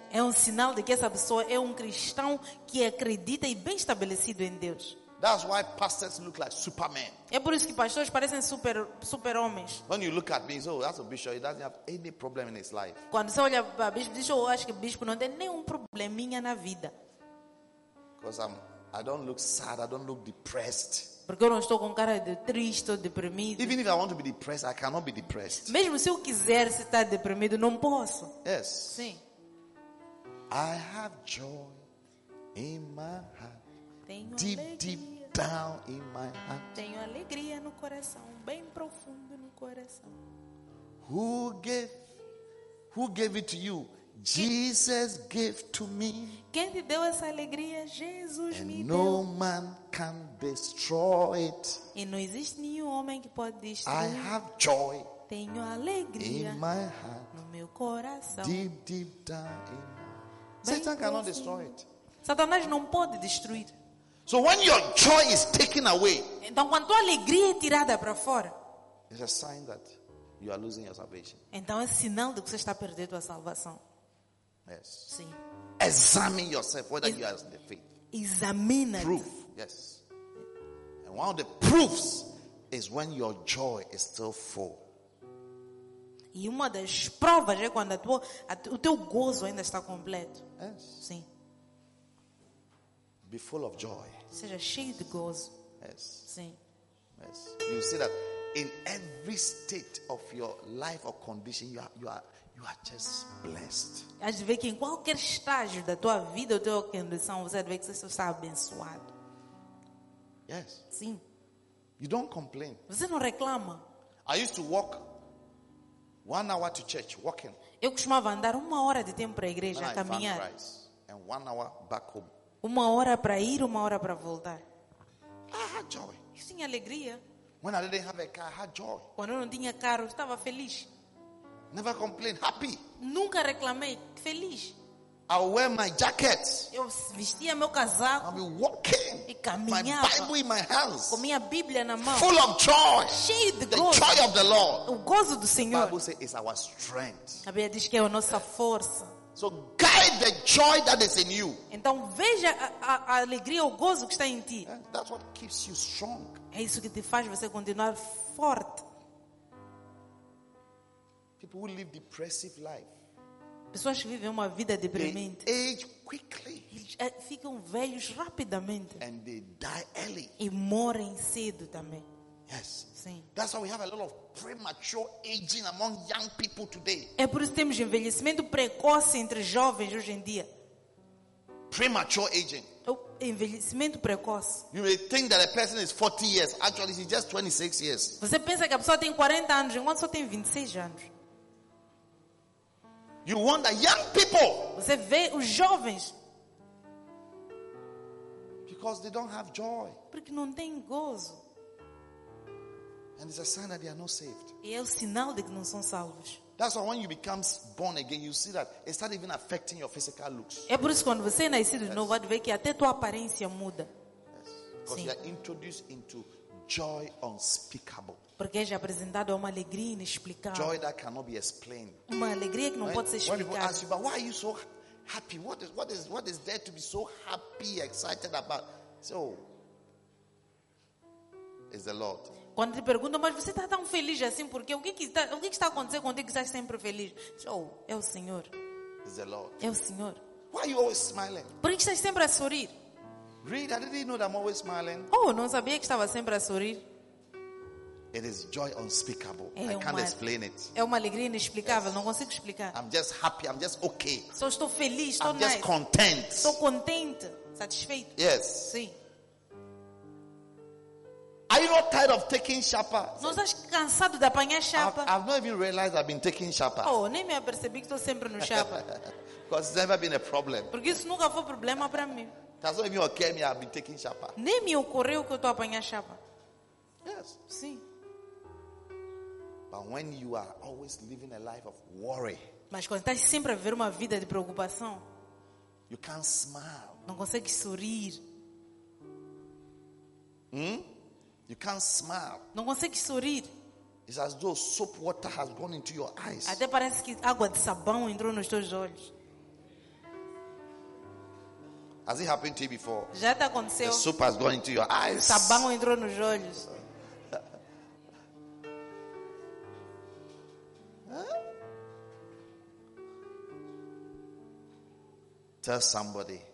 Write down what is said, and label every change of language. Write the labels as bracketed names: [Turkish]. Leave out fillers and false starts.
[Portuguese] É um sinal de que essa pessoa é cristão que acredita e bem estabelecido em Deus. [English] That's why pastors look like supermen. [Portuguese] É por isso que pastores parecem super homens. [English] When you look at me, so that's a bishop. He doesn't have any problem in his life. [Portuguese] Quando você olha para o bispo, diz: "Oh, acho que o bispo não tem nenhum probleminha na vida." [English] Because I don't look sad, I don't look depressed. [Portuguese] Porque eu não estou com cara de triste ou deprimido. [English] Even if I want to be depressed, I cannot be depressed. [Portuguese] Mesmo se eu quiser estar deprimido, não posso. [English] Yes. [Portuguese] Sim. [English] I have joy in my heart. [Portuguese] Tenho [English] deep, [Portuguese] alegria. [English] Deep down in my heart. [Portuguese] Tenho alegria no coração, bem profundo no coração. [English] Who gave it to you? Jesus gave to me. [Portuguese] Quem te deu essa alegria? Jesus me deu. [English] No man can destroy it. [Portuguese] E não existe nenhum homem que pode destruir. [English] I have joy. [Portuguese] Tenho alegria. [English] In my heart. [Portuguese] No meu coração. [English] Deep, deep down in my heart. Satan cannot destroy it. [Portuguese] Satanás não pode destruir. [English] So when your joy is taken away. [Portuguese] Então quando tua alegria é tirada para fora. [English] It's a sign that you are losing your salvation. [Portuguese] Então é sinal de que você está perdendo a salvação. [English] Yes. [Portuguese] Sim. [English] Examine yourself whether you are in the faith. [Portuguese] Examine. [English] Proof. Yes. And one of the proofs is when your joy is still full. [Portuguese] E uma das provas é quando o teu gozo ainda está completo. [English] Yes. [Portuguese] Sim. [English] Be full of joy. [Portuguese] Seja cheio de gozo. [English] Yes. [Portuguese] Sim. [English] Yes. You see that in every state of your life or condition, you are just blessed. [Portuguese] Às vezes que em qualquer estágio da tua vida ou tua condição, você vê que você está abençoado. [English] Yes. [Portuguese] Sim. [English] You don't complain. [Portuguese] Você não reclama. [English] I used to walk 1 hour to church walking. [Portuguese] Eu costumava andar uma hora de tempo para a igreja, [English] then [Portuguese] caminhar. [English] I found Christ, and 1 hour back home. [Portuguese] Uma hora para ir, uma hora para voltar. [English] I had joy. [Portuguese] Sim, alegria. [English] When I didn't have a car, I had joy. [Portuguese] Quando eu não tinha carro, estava feliz. [English] Never complain, happy. [Portuguese] Nunca reclamei, feliz. [English] I'll wear my jacket. [Portuguese] Eu vestia meu casaco. [English] I'll be walking. [Portuguese] E caminhava. [English] My Bible in my hands. [Portuguese] Com minha Bíblia na mão. [English] Full of joy. [Portuguese] Cheio de [English] the [Portuguese] gozo. [English] The joy of the Lord. [Portuguese] O gozo do Senhor. [English] The Bible says it's our strength. [Portuguese] A Bíblia diz que é a nossa força. [English] So guide the joy that is in you. [Portuguese] Então veja a alegria, o gozo que está em ti. [English] And that's what keeps you strong. [Portuguese] É isso que te faz você continuar forte. [English] People who live depressive life. [Portuguese] Pessoas que vivem uma vida deprimente. [English] They age quickly. [Portuguese] Eles ficam velhos rapidamente. [English] And they die early. [Portuguese] E morrem cedo também. [English] Yes. [Portuguese] Sim. [English] That's why we have a lot of premature aging among young people today. [Portuguese] É por isso que temos envelhecimento precoce entre jovens hoje em dia. [English] Premature aging. [Portuguese] Envelhecimento precoce. [English] You may think that a person is 40 years, actually he's just 26 years. [Portuguese] Você pensa que a pessoa tem 40 anos, enquanto só tem 26 anos. [English] You wonder young people. [Portuguese] Você vê os jovens. [English] Because they don't have joy. [Portuguese] Porque não têm gozo. [English] And it's a sign that they are not saved. [Portuguese] E é o sinal de que não são salvos. [English] That's why when you become born again, you see that it starts even affecting your physical looks. [Portuguese] É por isso quando você é nascido de novo, vê que até tua aparência muda. [English] Because you are introduced into joy unspeakable. [Portuguese] Porque é apresentado a uma alegria inexplicável. [English] Joy that cannot be explained. [Portuguese] Uma alegria que não pode ser explicada. [English] When people ask you, "Why are you so happy? What is there to be so happy, excited about?" So, it's the Lord. [Portuguese] Quando te perguntam, mas você está tão feliz assim? Porque o que está acontecendo quando você está sempre feliz? So, é o Senhor. [English] It's the Lord. [Portuguese] É o Senhor. [English] Why are you always smiling? [Portuguese] Por que estás sempre a sorrir? [English] Read, I didn't know that I'm always smiling. [Portuguese] Oh, não sabia que estava sempre a sorrir. [English] It is joy unspeakable. I can't explain it. [Portuguese] É uma alegria inexplicável. Não consigo explicar. [English] I'm just happy. I'm just okay. [Portuguese] Só estou feliz. Estou [English] I'm nice. Just content. [Portuguese] Estou contente. Satisfeito. [English] Yes. [Portuguese] Sim. [English] Are you not tired of taking chapa? [Portuguese] Não estás cansado de apanhar chapa? [English] I've not even realized I've been taking chapa. [Portuguese] Oh, nem me apercebi que estou sempre no chapa. [English] Because it's never been a problem. [Portuguese] Porque isso nunca foi problema para mim. [English] That's not even okay me. I've been taking chapa. [Portuguese] Nem me ocorreu que eu estou a apanhar chapa. [English] Yes. [Portuguese] Sim. [English] But when you are always living a life of worry, [Portuguese] mas quando estás sempre a viver uma vida de preocupação, [English] you can't smile. [Portuguese] Não consegues sorrir. [English] You can't smile. [Portuguese] Não consegues sorrir. [English] It's as though soap water has gone into your eyes. [Portuguese] Até parece que água de sabão entrou nos teus olhos. [English] Has it happened to you before? [Portuguese] Já te aconteceu? [English] The soap has gone into your eyes. [Portuguese] Sabão entrou nos olhos. [English] Tell somebody,